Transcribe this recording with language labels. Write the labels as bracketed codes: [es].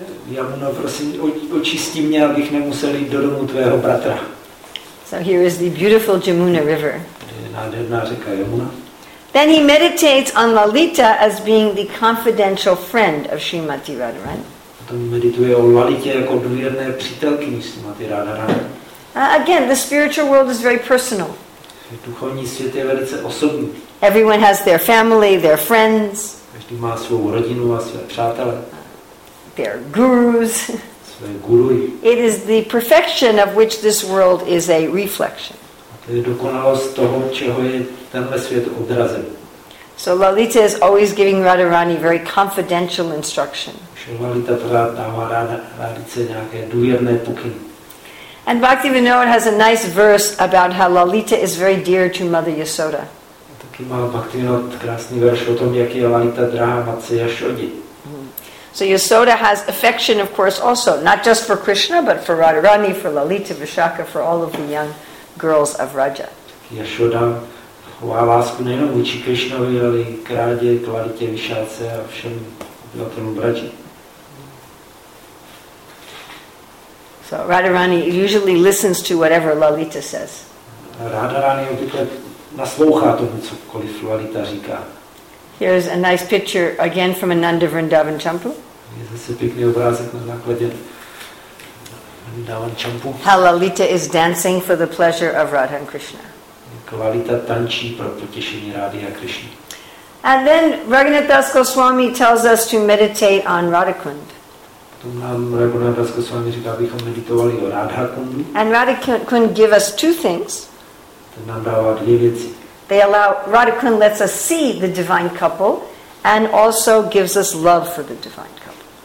[cs] Yamuna, prosím, očistí mě, abych nemusel jít do domu tvého bratra. [en] So here is the beautiful Jamuna River. [cs] Tady je nádherná řeka Yamuna. [en] Then he meditates on Lalita as being the confidential friend of Srimati Radharani. [cs] Potom medituje o Lalitě jako důvěrné přítelkyni Srimati Radharani. [en] Again, the spiritual world is very personal. [cs] Duchovní svět je velice osobní. [en] Everyone has their family, their friends. [cs] Každý má svou rodinu a své přátele. [en] Their gurus. [cs] Své guruji. [en] It is the perfection of which this world is a reflection. [cs] A to je dokonalost toho, čeho je tenhle svět odrazem. [en] So Lalita is always giving Radharani very confidential instruction. [cs] Lalita dává Radharice nějaké důvěrné pokyny. [en] And Bhaktivinoda has a nice verse about how Lalita is very dear to Mother Yasoda. [cs] Taky má Bhaktivinoda krásný verš o tom, jak je Lalita drahá matce Yashodě. [en] So Yasoda has affection, of course, also not just for Krishna, but for Radharani, for Lalita, Vishakha, for all of the young girls of Raja. [cs] Yasoda chová lásku nejenom vůči Krishnovi, ale k Rádě, k Lalitě, Vishakha a všem obyvatelům Raji. [en] So Radharani usually listens to whatever Lalita says. [cs] Radharani obvykle naslouchá tomu, cokoliv Lalita říká. [en] Here's a nice picture again from Ananda Vrindavan Champu. [cs] Je zase pěkný obrázek na základě Vrindavan Champu. [en] How Lalita is dancing for the pleasure of Radha and Krishna. [cs] Lalita tančí pro potěšení Rády a Krishny. [en] And then Raghunath Das Goswami tells us to meditate on Radhakund. [cs] Potom nám Raghunath Das Goswami říká, abychom meditovali o Radhakundu. [en] And Radhakund give us two things. [cs] Ten nám dává dvě věci. [en] They allow Radhakund lets us see the divine couple and also gives us love for the divine couple.